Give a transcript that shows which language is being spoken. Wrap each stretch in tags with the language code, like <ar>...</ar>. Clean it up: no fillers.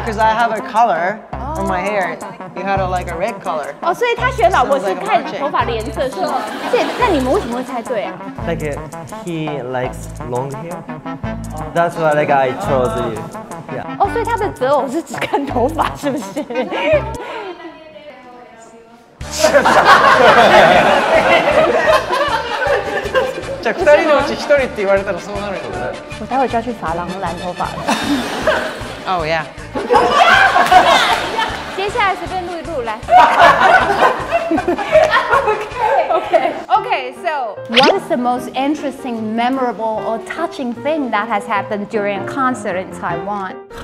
<en>Because I have a color on my hair. You had like a red color.</en> <zh>哦，所以他选老婆是看头发的颜色是吗？那你们为什么会猜对啊？</zh> <en>Like he likes long hair. That's why like I chose you. Yeah.</en> <zh>哦，所以他的择偶是只看头发是不是？</zh> <ja>二人のうち一人って言われたらそうなるよね。</ja> <zh>我待会就要去发廊染头发了。</zh> <ja>Oh</ja> <en>yeah。</en> <zh>接下来随便录一录来。</zh> <en>Okay, so what is the most interesting, memorable, or touching thing that has happened during a concert in Taiwan?</en>